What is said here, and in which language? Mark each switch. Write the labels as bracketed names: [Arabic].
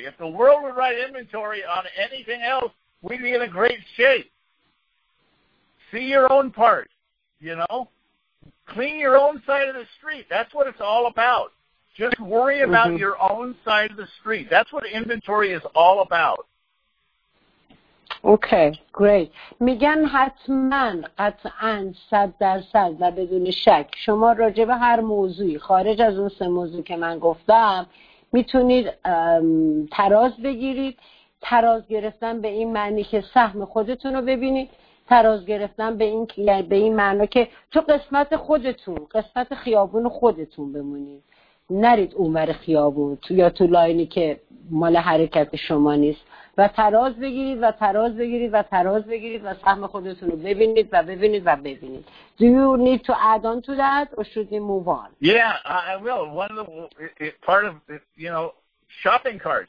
[English] If the world would write inventory on anything else, we'd be in a great shape. See your own part, you know? Clean your own side of the street. That's what it's all about. Just worry about your own side of the street. That's what inventory is all about. Okay, great. [Persian] میگن حتماً، قطعاً، 100% و بدون شک شما راجع به هر موضوعی خارج از اون سه موضوعی که من گفتم میتونید تراز بگیرید. تراز گرفتن به این معنی که سهم خودتون رو ببینید، تراز گرفتن به این معنی که تو قسمت خودتون، قسمت خیابون خودتون بمونید، نرید اونور خیابون تو یا تو لاینی که مال حرکت شما نیست، و تراز بگیرید و تراز بگیرید و تراز بگیرید و سهم خودتون رو ببینید و ببینید و ببینید. [English] Do you need to add on to that or should you move on? Yeah, I will. One of the part of, you know, shopping carts.